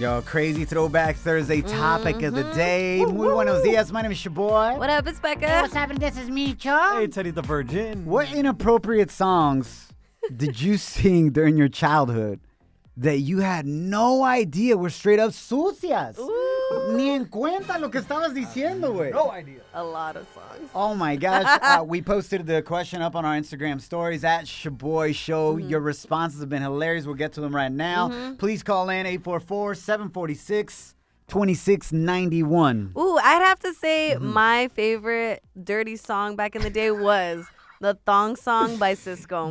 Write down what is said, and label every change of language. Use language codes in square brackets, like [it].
[en] Yo, crazy throwback Thursday topic of the day. Woo-hoo. [es] Muy buenos dias. [en] My name is Shaboy. What up? It's Becca. Hey, what's happening? This is Micho. Hey, Teddy the Virgin. What inappropriate songs did you sing during your childhood that you had no idea were straight up sucias? [es] Ni en cuenta lo que estabas diciendo, güey. [en] No idea. A lot of songs. Oh, my gosh. We posted the question up on our Instagram stories at Shaboy Show. Mm-hmm. Your responses have been hilarious. We'll get to them right now. Mm-hmm. Please call in 844-746-2691. Ooh, I'd have to say my favorite dirty song back in the day was The Thong Song by Cisco.